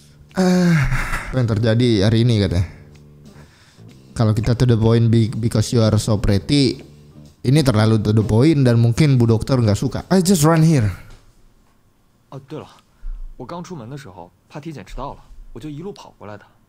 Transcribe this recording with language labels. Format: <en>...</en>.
<id>Apa yang terjadi hari ini katanya? Kalau kita</id> <en>to the point because you are so pretty.</en> <id>Ini terlalu</id> <en>to the point</en> <id>dan mungkin Bu Dokter gak suka.</id> <en>I just run here.</en> <zh>Oh, 对了，我刚出门的时候 怕体检迟到了，我就一路跑过来的。</zh>